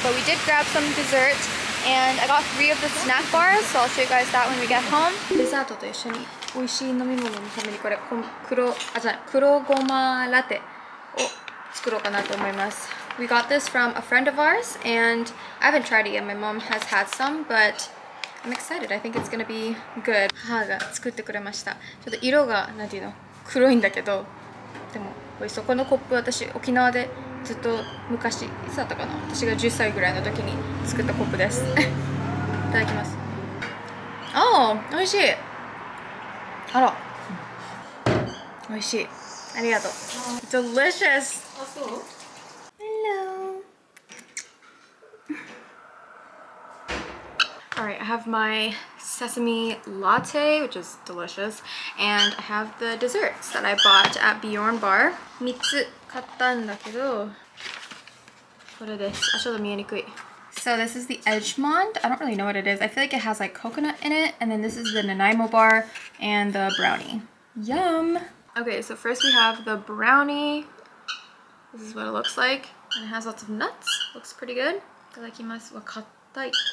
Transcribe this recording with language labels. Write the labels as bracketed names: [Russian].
[English] But we did grab some dessert and I got 3 of the snack bars, so I'll show you guys that when we get home. [Japanese] デザートと一緒に美味しい飲み物のためにこれ黒ごまラテを作ろうかなと思います。 [English] We got this from a friend of ours and I haven't tried it yet. My mom has had some, but I'm excited. I think it's gonna be good. [Japanese] 母が作ってくれました。ちょっと色が何ていうの黒いんだけど、でも美味しそう。このコップ、私沖縄でずっと昔いつだったかな、私が10歳ぐらいの時に作ったコップですいただきます。あー、美味しい。あら、美味しい。ありがとう。 [English] Delicious。 [Japanese] あ、そう。 [English] Hello。 Alright, I have my sesame latte, which is delicious, and I have the desserts that I bought at Bjorn Bar. [Japanese] 3つ買ったんだけど、これです。あ、ちょっと見えにくい。 [English] So this is the Edgemont. I don't really know what it is. I feel like it has like coconut in it, and then this is the Nanaimo bar and the brownie. Yum! Okay, so first we have the brownie. This is what it looks like. And it has lots of nuts. Looks pretty good. [Japanese] いただきます。わ、硬い。